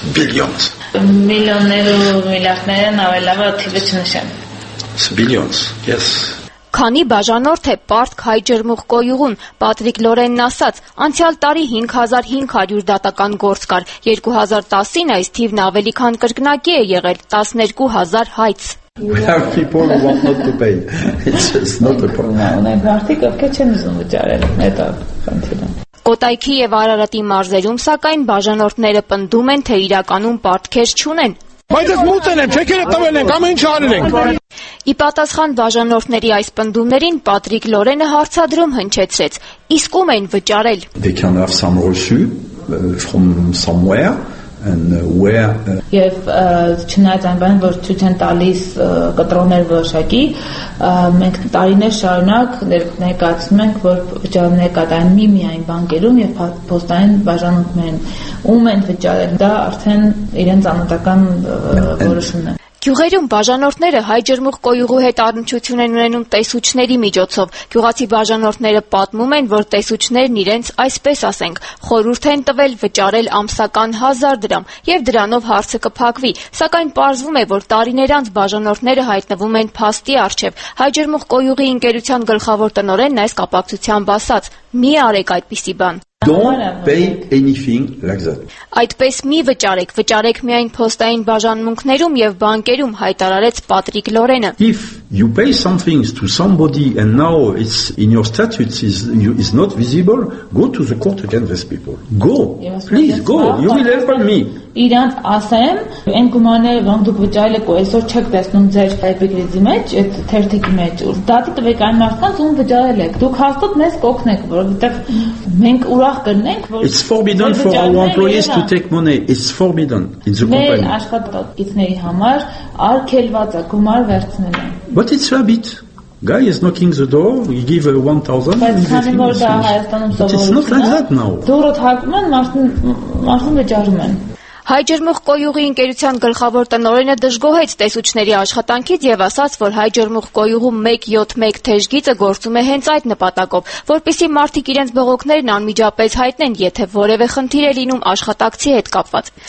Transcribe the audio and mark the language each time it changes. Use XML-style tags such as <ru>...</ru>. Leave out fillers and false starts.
<hy>Ջերմուխ Կոյուղու տվյալների։ Քանի բաժանորդ է պարտք Հայ Ջերմուխ Կոյուղուն, Պատրիկ Լորենն ասաց, անցյալ տարի 5500 դատական գործ կար, 2010-ին այս թիվն ավելի քան կրկնակի է եղել, 12000 հայց։</hy> <en>We have people who want not to pay. It's just not a problem.</en> <hy>Մարդիկ ովքեր չեն ուզում վճարել, հետո խնդիրը։ Կոտայքի և Արարատի մարզերում, սակայն, բաժանորդները պնդում են, թե իրականում պարտքեր չունեն։ Բայց ես մուծել եմ, չեքերը տվել ենք, ամեն ինչ արել ենք։ Ի պատասխան բաժանորդների այս պնդումներին Պատրիկ Լորենը հարցադրում հնչեցրեց. Իսկ ում են վճարել։</hy> <en>They can have some reçu from somewhere and where.</en> <hy>Եվ չնայած այն բանը, որ ցույց են տալիս կտրոններ վշակի, մենք տարիներ շարունակ ներկայացնում ենք, որ վճարումները կատարեն միայն բանկերում եւ փոստային բաժանորդներին։ Ում են վճարել, դա արդեն իրենց անհատական որոշումն է։ Գյուղերում բաժանորդները Հայ Ջերմուխ Կոյուղու հետ առնչություն են ունենում տեսուչների միջոցով։ Գյուղացի բաժանորդները պատմում են, որ տեսուչներն իրենց, այսպես ասենք, խորհուրդ են տվել վճարել ամսական 1000 դրամ, եւ դրանով հարցը կփակվի, սակայն պարզվում է, որ տարիներ անց բաժանորդները հայտնվում են փաստի առջև։ Հայ Ջերմուխ Կոյուղի ընկերության գլխավոր տնօրենն այս կապակցությամբ ասաց. «Մի արեք այդպիսի բան»։</hy> <en>Don't pay anything like that.</en> <hy>Այդպես մի վճարեք, վճարեք միայն փոստային բաժանմունքներում եւ բանկերում, հայտարարեց Պատրիկ Լորենը։</hy> <en>If you pay something to somebody and now it's in your statutes is not visible, go to the court against these people. Go. Please go. You will help me.</en> <hy>Իրանց ասեմ, այն գումարները, որ դուք վճարել եք, այսօր չեք տեսնում ձեր հայպերգրիզի մեջ, այդ թերթիկի մեջ, ու դատի տվեք այն մարդկանց, ում վճարել եք։ Դուք հաստատ մեզ կօգնեք, որովհետեւ մենք ուրախ կլինենք, որ</hy> <en>It's forbidden for our employees to take money. It's forbidden in the company.</en> <hy>Մեր աշխատողների համար արգելված է գումար վերցնելը։</hy> <en>What is habit? Guy is knocking the door, he give 1000. It's not like that now.</en> <hy>Դուրս թակում են, մարդն վճարում են։ Հայ Ջերմուխ Կոյուղի ընկերության գլխավոր տնօրենը դժգոհեց տեսուչների աշխատանքից եւ ասաց, որ Հայ Ջերմուխ Կոյուղու 171 թեժգիծը գործում է հենց այդ նպատակով, որպեսզի մարդիկ իրենց բողոքներն անմիջապես հայտնեն, եթե որևէ խնդիր է լինում աշխատակցի հետ կապված։</hy>